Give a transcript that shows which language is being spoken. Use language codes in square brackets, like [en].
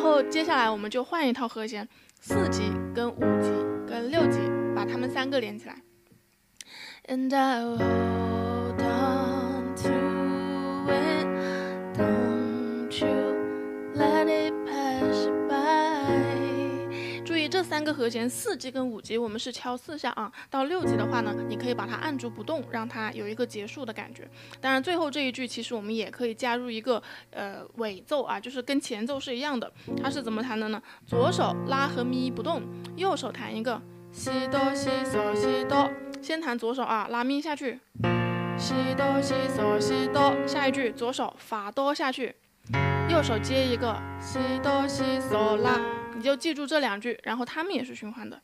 [zh] 接下来我们就换一套和弦，四级跟五级跟六级，把它们三个连起来。 [en] And I hold on to it, don't you let it pass by. [zh] 注意这三个和弦，四级跟五级我们是敲四下啊，到六级的话呢，你可以把它按住不动，让它有一个结束的感觉。当然最后这一句其实我们也可以加入一个尾奏啊，就是跟前奏是一样的。它是怎么弹的呢？左手拉和咪不动，右手弹一个西哆西嗦西哆，先弹左手啊，拉咪下去西哆西嗦西哆，下一句左手发哆下去，右手接一个西哆西嗦拉，你就记住这两句，然后它们也是循环的。